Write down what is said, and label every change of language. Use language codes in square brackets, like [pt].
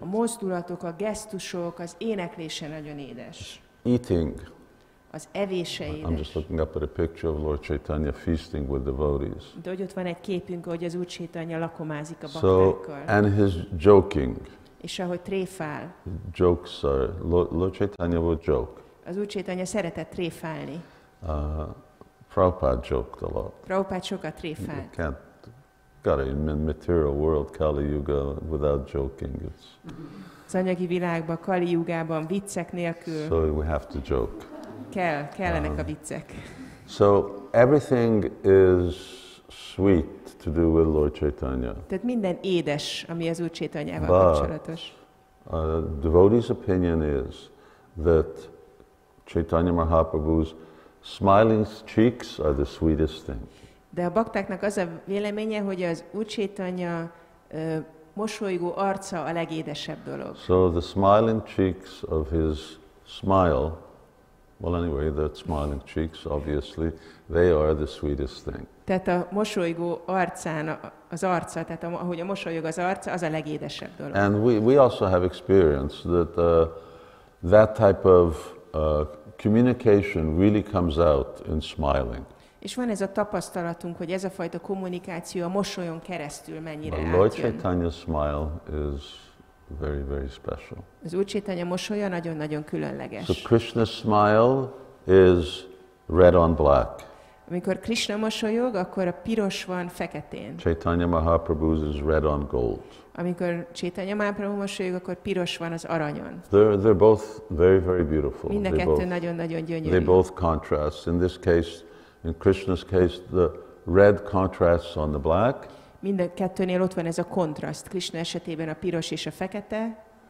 [hu] A mozdulatok, a gesztusok, az éneklése nagyon édes. [en] Eating. [hu] Az evése édes. [en] I'm just looking up at a picture of Lord Chaitanya feasting with devotees. [hu] De hogy ott van egy képünk, hogy az Úr Chaitanya lakomázik a baktákkal. [en] So, and his joking. [hu] És ahogy tréfál. [en] Jokes are, Lord Chaitanya would joke. [hu] Az Úr Chaitanya szeretett tréfálni. [en] Prabhupada joked a lot. [hu] Prabhupada sokat tréfált. [en] You can't, got it, in material world, Kali Yuga, without joking, it's... [hu] Az anyagi világban, Kali Yugában, viccek nélkül. [en] So we have to joke. [hu] Kellenek a viccek. [en] So everything is sweet to do with Lord Chaitanya. [hu] Tehát minden édes, ami az Úr Chaitanyával kapcsolatos. [en] A devotee's opinion is that Chaitanya Mahaprabhu's smiling cheeks are the sweetest thing. [hu] De a baktáknak az a véleménye, hogy az Úr Chaitanya mosolygó arca a legédesebb dolog. [en] So the smiling cheeks of his smile, well anyway, the smiling cheeks, obviously, they are the sweetest thing. [hu] Tehát a mosolygó arcán az arca, tehát ahogy a mosolyog az arca, az a legédesebb dolog. [en] And we also have experience that that type of communication really comes out in smiling. [hu] És van ez a tapasztalatunk, hogy ez a fajta kommunikáció a mosolyon keresztül mennyire átjön. [en] Lord Chaitanya's smile is very, very special. [hu] Az Úr Chaitanya mosolya nagyon-nagyon különleges. [en] So Krishna's smile is red on black. [hu] Amikor Krishna mosolyog, akkor a piros van feketén. [en] Chaitanya Mahaprabhu is red on gold. [hu] Amikor Chaitanya Mahaprabhu mosolyog, akkor piros van az aranyon. [en] They're both very, very beautiful. [hu] Mind a kettő nagyon-nagyon gyönyörű. [en] They both contrast. In this case, in Krishna's case, the red contrasts on the black. [hu] Mind a kettőnél ott van ez a kontraszt. Krishna esetében a piros és a fekete.